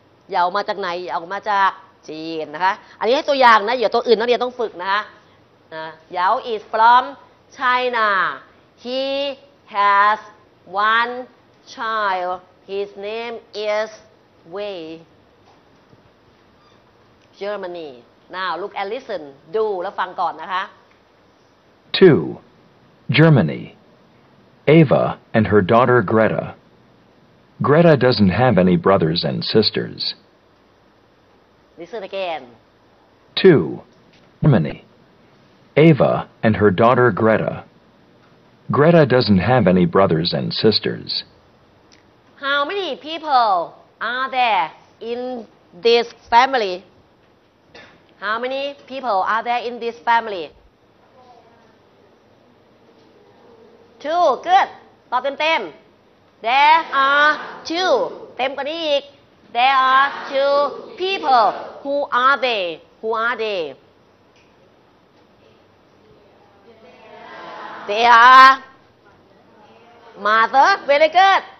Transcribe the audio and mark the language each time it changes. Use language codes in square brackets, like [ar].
[th] อย่าออกมาจากไหนออกมาจากจีนนะคะอันนี้ให้ตัวอย่างนะอย่าตัวอื่นนักเรียนต้องฝึกนะคะ [en] Yao is from China he has one child his name is Way Germany now look and listen [th] ดูแล้วฟังก่อนนะคะ [en] twoGermany. Ava and her daughter Greta. Greta doesn't have any brothers and sisters. Listen again. 2. Germany. Ava and her daughter Greta. Greta doesn't have any brothers and sisters. How many people are there in this family? How many people are there in this family? Two, good. [th] ตอบเต็มๆ [en] There are two. [th] เต็มกว่านี้อีก [en] There are two people. Who are they? Who are they? They are mother. Very good.